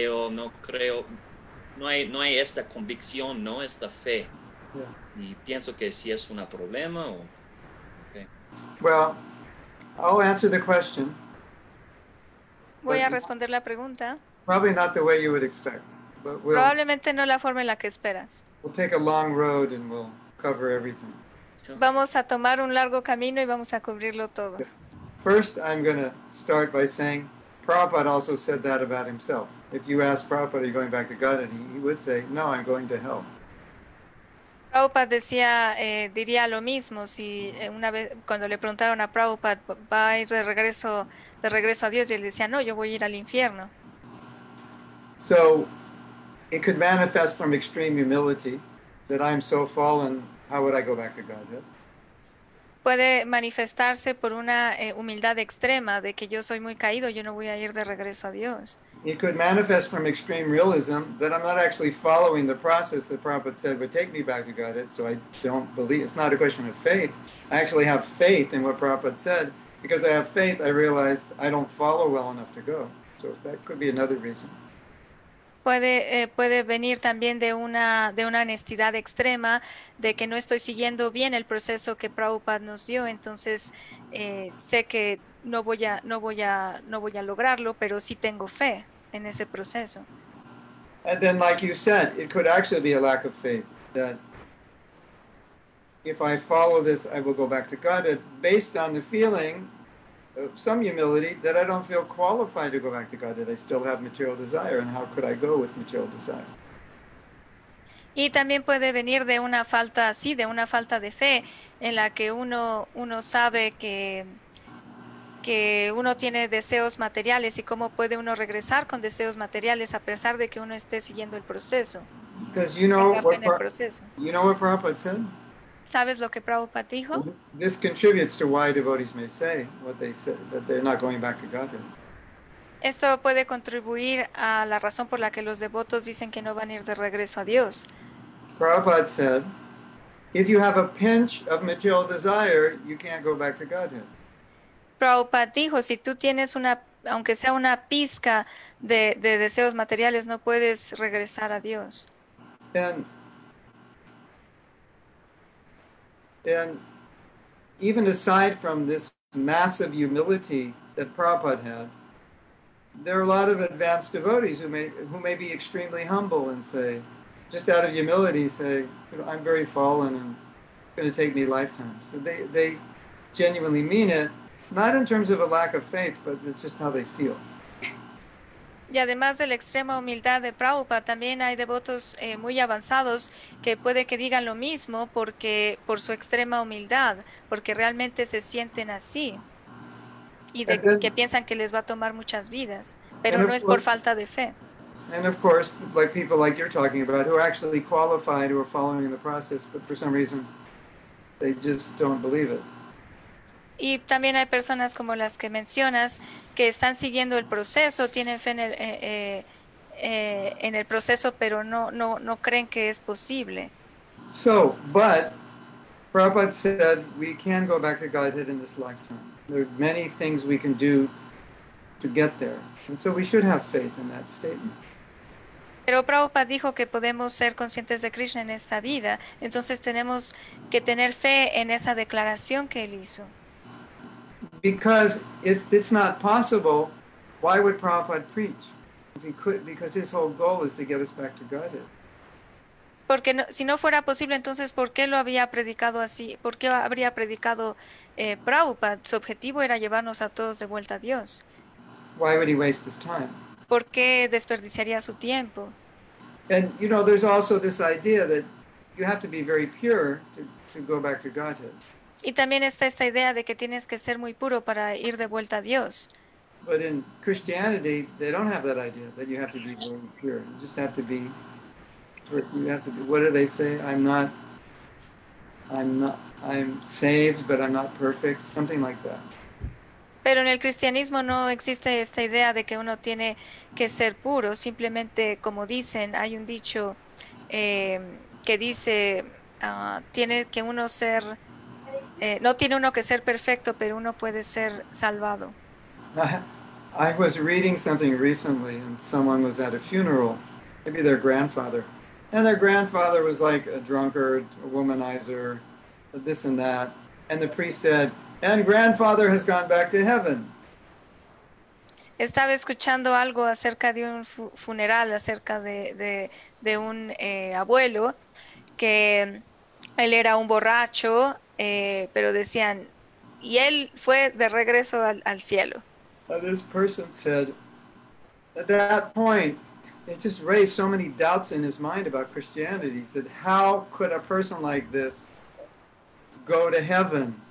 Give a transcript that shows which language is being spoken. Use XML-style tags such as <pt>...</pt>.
<es>No creo, no hay esta convicción, no esta fe.</es> <en>Yeah.</en> <es>Y pienso que si es un problema o... Okay.</es> <en>Well, I'll answer the question.</en> <es>Voy a responder la pregunta.</es> <en>Probably not the way you would expect. But we'll,</en> <es>probablemente no la forma en la que esperas.</es> <en>We'll take a long road and we'll cover everything.</en> <es>Vamos a tomar un largo camino y vamos a cubrirlo todo.</es> <en>First, I'm going to start by saying, Prabhupada also said that about himself. If you ask Prabhupada, are you going back to God? And he would say, no, I'm going to hell.</en> <es>Prabhupada decía, diría lo mismo, si una vez, cuando le preguntaron a Prabhupada, va a ir de regreso a Dios, y él decía, no, yo voy a ir al infierno.</es> <en>So, it could manifest from extreme humility, that I'm so fallen, how would I go back to God? Yeah?</en> <es>Puede manifestarse por una humildad extrema de que yo soy muy caído, yo no voy a ir de regreso a Dios.</es> <en>It could manifest from extreme realism that I'm not actually following the process that Prabhupada said would take me back to Godhead, so I don't believe, it's not a question of faith. I actually have faith in what Prabhupada said, because I have faith, I realize I don't follow well enough to go. So that could be another reason.</en> <es>Puede venir también de una honestidad extrema, de que no estoy siguiendo bien el proceso que Prabhupada nos dio, entonces sé que no voy a lograrlo, pero sí tengo fe en ese proceso.</es> <en>And then, like you said, it could actually be a lack of faith that if I follow this, I will go back to Godhead, based on the feeling of some humility that I don't feel qualified to go back to Godhead. I still have material desire, and how could I go with material desire?</en> <es>Y también puede venir de una falta, sí, de una falta de fe, en la que uno sabe que uno tiene deseos materiales, y cómo puede uno regresar con deseos materiales a pesar de que uno esté siguiendo el proceso.</es> <en>Because you know what Prabhupada said?</en> <es>¿Sabes lo que Prabhupada dijo?</es> <en>This contributes to why devotees may say what they said, that they're not going back to Godhead.</en> <es>Esto puede contribuir a la razón por la que los devotos dicen que no van a ir de regreso a Dios.</es> <en>Prabhupada said, if you have a pinch of material desire, you can't go back to Godhead.</en> <es>Prabhupada dijo, si tú tienes una, aunque sea una pizca de deseos materiales, no puedes regresar a Dios.</es> <en>And even aside from this massive humility that Prabhupada had, there are a lot of advanced devotees who may be extremely humble and say, just out of humility, say, I'm very fallen and it's going to take me lifetimes. So they genuinely mean it. Not in terms of a lack of faith, but it's just how they feel.</en> <es>Y además de la extrema humildad de Prabhupada, también hay devotos muy avanzados que puede que digan lo mismo porque por su extrema humildad, porque realmente se sienten así y de que piensan que les va a tomar muchas vidas, pero no es por falta de fe.</es> <en>And of course, like people like you're talking about, who are actually qualified, who are following the process, but for some reason they just don't believe it.</en> <es>Y también hay personas como las que mencionas que están siguiendo el proceso, tienen fe en el proceso, pero no creen que es posible.</es> <en>So, but Prabhupada said we can go back to Godhead in this lifetime. There are many things we can do to get there. And so we should have faith in that statement.</en> <es>Pero Prabhupada dijo que podemos ser conscientes de Krishna en esta vida, entonces tenemos que tener fe en esa declaración que él hizo.</es> <en>Because if it's not possible, why would Prabhupada preach? If he could, because his whole goal is to get us back to Godhead.</en> <es>Porque no, si no fuera posible, entonces ¿por qué lo había predicado así? ¿Por qué habría predicado Prabhupada? Su objetivo era llevarnos a todos de vuelta a Dios.</es> <en>Why would he waste his time?</en> <es>¿Por qué desperdiciaría su tiempo?</es> <en>And you know, there's also this idea that you have to be very pure to go back to Godhead.</en> <es>Y también está esta idea de que tienes que ser muy puro para ir de vuelta a Dios.</es> <en>But in Christianity, they don't have that idea that you have to be very pure. You just have to be. You have to be. What do they say? I'm saved, but I'm not perfect. Something like that.</en> <es>Pero en el cristianismo no existe esta idea de que uno tiene que ser puro. Simplemente, como dicen, hay un dicho que dice tiene que uno ser no tiene uno que ser perfecto, pero uno puede ser salvado.</es> <en>I was reading something recently, and someone was at a funeral, maybe their grandfather. And their grandfather was like a drunkard, a womanizer, this and that. And the priest said, and grandfather has gone back to heaven.</en> <es>Estaba escuchando algo acerca de un funeral, acerca de un abuelo, que él era un borracho. Pero decían, y él fue de regreso al cielo.</es> <en>This person said, at that point, it just raised so many doubts in his mind about Christianity. He said, how could a person like this go to heaven?</en>